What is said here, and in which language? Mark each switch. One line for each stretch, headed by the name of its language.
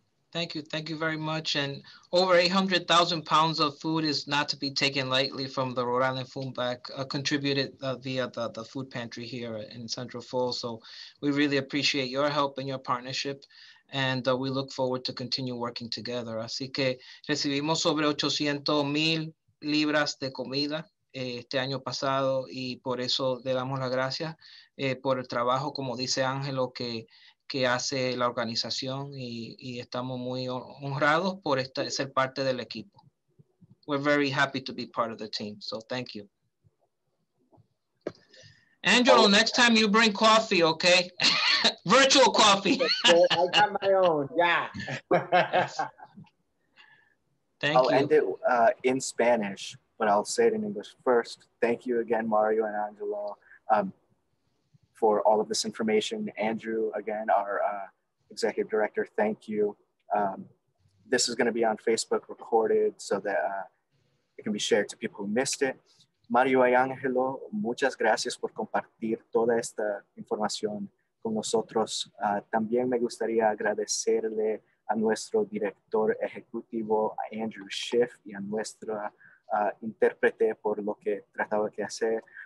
English: Thank you. Thank you very much. And over 800,000 pounds of food is not to be taken lightly from the Rhode Island Food Bank, contributed via the food pantry here in Central Falls. So we really appreciate your help and your partnership. And we look forward to continue working together.
Spanish: Así que recibimos sobre 800,000 libras de comida este año pasado, y por eso le damos las gracias por el trabajo, como dice Ángelo, que que hace la organización y estamos muy honrados por esta, ser parte del equipo.
English: We're very happy to be part of the team, so thank you. Angelo, next time you bring coffee, okay? Virtual coffee. I got my own, yeah. Thank I'll you. End it in Spanish, but I'll say it in English first. Thank you again, Mario and Angelo, for all of this information. Andrew, again, our executive director, thank you. This is going to be on Facebook recorded so that it can be shared to people who missed it.
Spanish: Mario y Angelo, muchas gracias por compartir toda esta información con nosotros. También me gustaría agradecerle a nuestro director ejecutivo, Andrew Schiff, y a nuestra intérprete por lo que trataba de hacer.